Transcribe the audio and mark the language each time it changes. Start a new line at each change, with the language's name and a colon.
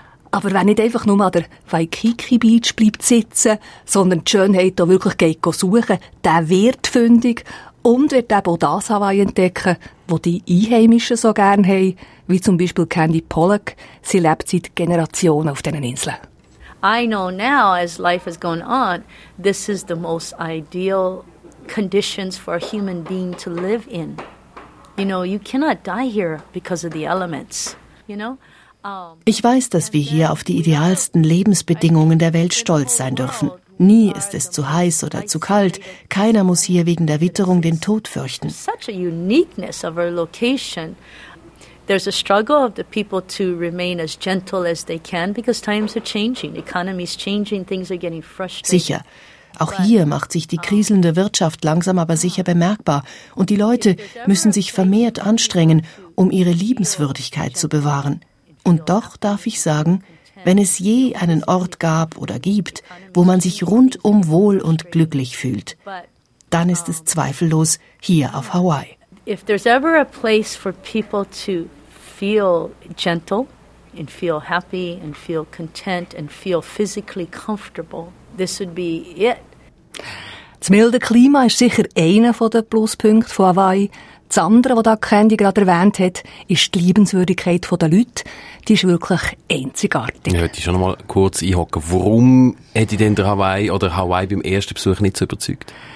German: Aber wenn nicht einfach nur an der Waikiki Beach bleibt sitzen, sondern die Schönheit auch wirklich geht suchen, der wird fündig und wird eben auch das Hawaii entdecken, was die Einheimischen so gerne haben, wie zum Beispiel Candy Pollack. Sie lebt seit Generationen auf diesen Inseln.
English: I know now, as life has gone on, this is the most ideal conditions for a human being to live in. You know, you cannot die here because of the elements. You know?
German: Ich weiß, dass wir hier auf die idealsten Lebensbedingungen der Welt stolz sein dürfen. Nie ist es zu heiß oder zu kalt. Keiner muss hier wegen der Witterung den Tod fürchten. Such a uniqueness of our location. There's a struggle of the people to remain as gentle as they can because times are changing, economy's changing, things are getting frustrated. Sicher. Auch hier macht sich die kriselnde Wirtschaft langsam aber sicher bemerkbar und die Leute müssen sich vermehrt anstrengen, um ihre Liebenswürdigkeit zu bewahren. Und doch darf ich sagen, wenn es je einen Ort gab oder gibt, wo man sich rundum wohl und glücklich fühlt, dann ist es zweifellos hier auf Hawaii.
English: If there's ever a place for people to feel gentle and feel happy and feel content and feel physically comfortable, this would be it.
German: Das milde Klima ist sicher einer der Pluspunkte von Hawaii. Das andere, was Candy gerade erwähnt hat, ist die Liebenswürdigkeit der Leute. Die ist wirklich einzigartig. Ich wollte schon noch mal kurz einhocken. Warum hat dich denn der Hawaii oder Hawaii beim ersten Besuch nicht so überzeugt?